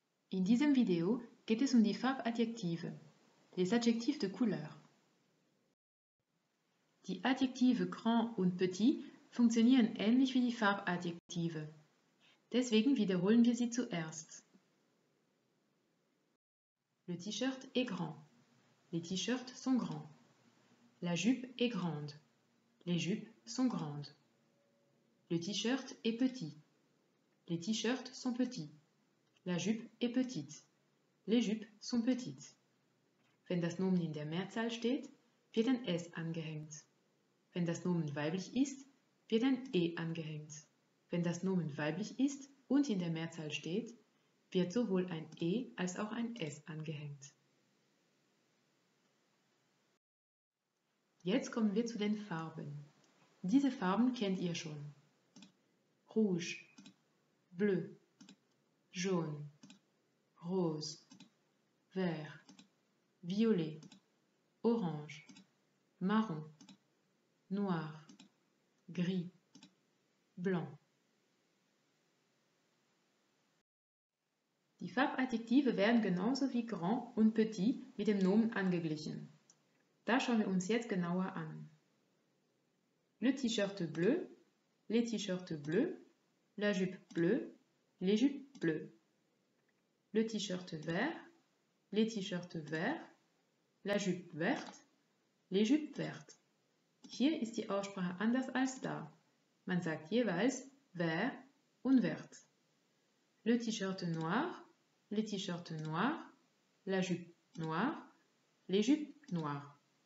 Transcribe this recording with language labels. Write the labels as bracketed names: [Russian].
[German] In diesem Video geht es um die Farbadjektive, [French] les adjectifs de couleur. [German] Die Adjektive grand und petit funktionieren ähnlich wie die Farbadjektive. Deswegen wiederholen wir sie zuerst. [French] Le T-shirt est grand. Les T-shirts sont grands. La jupe est grande. Les jupes sont grandes. Le t-shirt est petit. Les t-shirts sont petits. La jupe est petite. Les jupes sont petites. [German] Wenn das Nomen in der Mehrzahl steht, wird ein S angehängt. Wenn das Nomen weiblich ist, wird ein E angehängt. Wenn das Nomen weiblich ist und in der Mehrzahl steht, wird sowohl ein E als auch ein S angehängt. Jetzt kommen wir zu den Farben. Diese Farben kennt ihr schon. [French] Rouge, bleu, jaune, rose, vert, violet, orange, marron, noir, gris, blanc. [German] Die Farbadjektive werden genauso wie grand und petit mit dem Nomen angeglichen. Das schauen wir uns jetzt genauer an. [French] Le T-shirt bleu, les T-shirts bleus. La jupe bleue, les jupes bleues. Le t-shirt vert, les t-shirts verts. La jupe verte, les jupes vertes. [German] Hier ist die Aussprache anders als da. Man sagt jeweils vert und vert. [French] Le t-shirt noir, les t-shirts noirs. La jupe noire, les jupes noires.